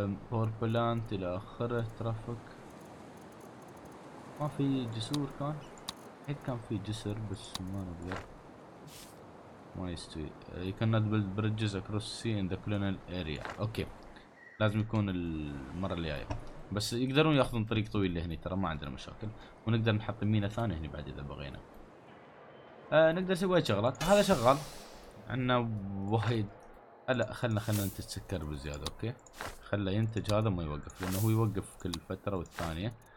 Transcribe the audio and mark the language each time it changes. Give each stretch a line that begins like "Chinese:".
Arabic: بور بلانت الى اخره ترافيك ما في جسور، كان هيك كان في جسر بس ما نقدر ما يستوي.
English: You cannot build bridges across sea in the colonial area.
Arabic: اوكي لازم يكون المرة اللي جاية، بس يقدرون ياخذون طريق طويل لهني ترى ما عندنا مشاكل، ونقدر نحط مينا ثانية هني بعد اذا بغينا. نقدر نسوي وايد شغلات، هذا شغال عندنا وايد. لا خلنا ننتج سكر بزيادة، اوكي خلنا ينتج هذا ما يوقف لانه هو يوقف كل فترة والثانية.